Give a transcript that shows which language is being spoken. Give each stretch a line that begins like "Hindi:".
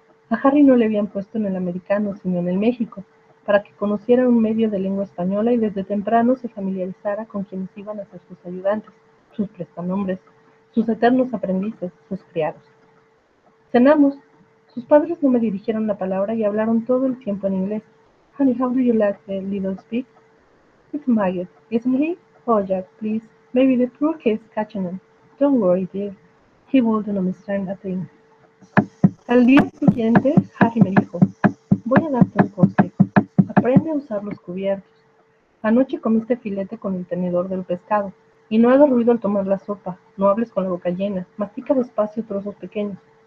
Spanish: A Harry no le habían puesto en el americano, sino en el México, para que conociera un medio de lengua española y desde temprano se familiarizara con quienes iban a ser sus ayudantes, sus prestanombres, sus eternos aprendices, sus criados. Cenamos. Sus padres no me dirigieron la palabra y hablaron todo el tiempo en inglés.
English: Honey, how do you like the little speak? It's maggot, isn't he? Oh, Jack, please. Maybe the poor kid's catching him. Don't worry, dear. He wouldn't understand a thing.
Spanish: Al día siguiente, Harry me dijo, voy a darte un consejo. Aprende a usar los cubiertos. Anoche comiste filete con el tenedor del pescado. Y no hagas ruido al tomar la sopa. No hables con la boca llena. Mastica despacio trozos pequeños.